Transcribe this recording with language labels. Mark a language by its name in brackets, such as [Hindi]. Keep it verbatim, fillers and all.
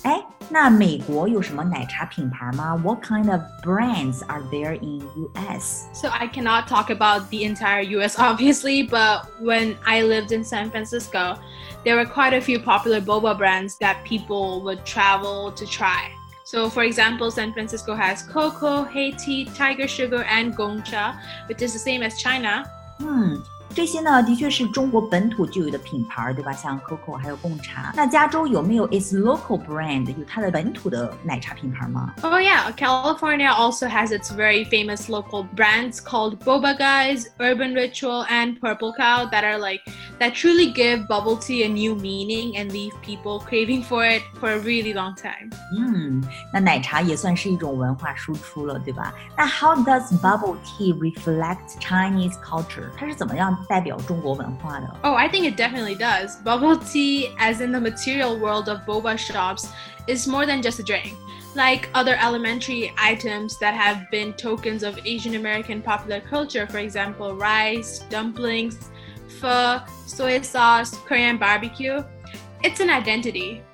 [Chinese] 哎，那美国有什么奶茶品牌吗？ [English] What kind of brands are there in U S? So I cannot talk about the entire U S obviously, but when I lived in San Francisco, there were quite a few popular boba brands that people would travel to try. So for example, San Francisco has cocoa, Hei Tea, tiger sugar, and Gongcha, which is the same as China. [Chinese] 嗯，这些呢的确是中国本土就有的品牌，对吧？像 cocoa 还有贡茶。那加州有没有 [English] its local brand， [Chinese] 有它的本土的奶茶品牌吗？ [English] Oh yeah, California also has its very famous local brands called Boba Guys, Urban Ritual, and Purple Cow that are like that truly give bubble tea a new meaning and leave people craving for it for a really long time. [Chinese] 嗯，那奶茶也算是一种文化输出了，对吧？ [English] 那 how does bubble tea reflect Chinese culture？ [Chinese] 它是怎么样代表中国文化的？ [English] Oh, I think it definitely does. Bubble tea, as in the material world of boba shops, is more than just a drink. Like other elementary items that have been tokens of Asian American popular culture, for example, rice, dumplings,pho, soy sauce, Korean barbecue. It's an identity.